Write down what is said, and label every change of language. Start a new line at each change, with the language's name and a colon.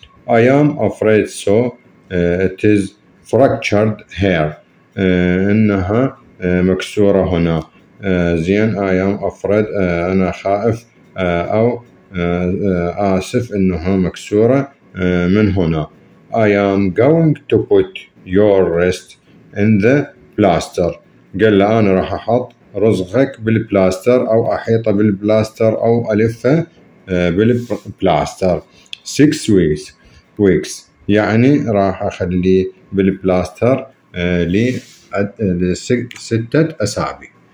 English: I am afraid so. It is fractured here.
Arabic: إنها مكسورة هنا. زين،
English: I am afraid.
Arabic: أنا خائف أو آسف إنها مكسورة من هنا.
English: I am going to put your wrist in the plaster.
Arabic: قال له أنا راح أحط رزقك بالبلاستر، أو أحيطه بالبلاستر، أو ألفه بالبلاستر.
English: 6 weeks.
Arabic: يعني راح أخلي بالبلاستر لـ6 أسابيع.